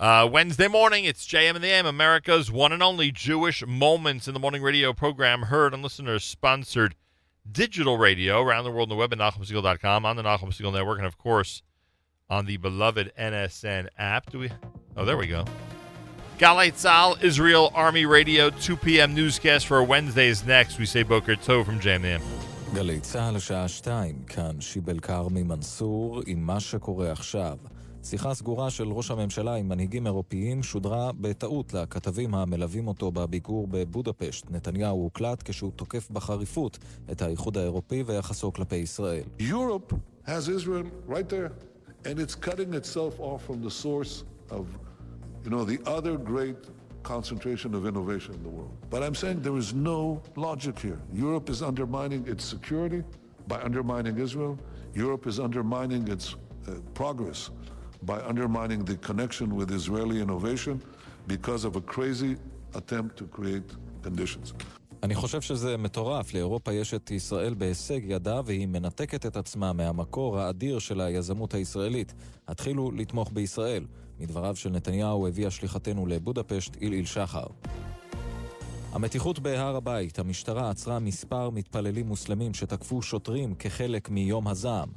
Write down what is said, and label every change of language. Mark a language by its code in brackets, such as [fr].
[en] Wednesday morning, it's JM in the AM, America's one and only Jewish Moments in the Morning radio program, heard on listener-sponsored digital radio around the world on the web at NachumSiegel.com, on the Nachum Siegel Network, and of course, on the beloved NSN app. Oh, there we go. Galei Tzal, Israel Army Radio, 2 p.m. newscast for Wednesday is next. We say Boker Tov from JMM. [he] Galei Tzal, השעה 2, כאן שיבל קרמי מנסור, עם מה שקורה עכשיו. שיחה סגורה של ראש הממשלה עם מנהיגים אירופיים שודרה בטעות לכתבים המלווים אותו בביקור בבודפשט. נתניהו הוקלט כשהוא תוקף בחריפות את האיחוד האירופי ויחסו כלפי ישראל. [en] Europe has Israel right there. And it's cutting itself off from the source of, you know, the other great concentration of innovation in the world. But I'm saying there is no logic here. Europe is undermining its security by undermining Israel. Europe is undermining its progress by undermining the connection with Israeli innovation because of a crazy attempt to create conditions. [he] אני חושב שזה מטורף. לאירופה יש את ישראל בהישג ידה, והיא מנתקת את עצמה מהמקור האדיר של היזמות הישראלית. התחילו לתמוך בישראל. מדבריו של נתניהו הביא השליחתנו לבודפשט איליל שחר. המתיחות בהר הבית. המשטרה עצרה מספר מתפללים מוסלמים שתקפו שוטרים כחלק מיום הזעם.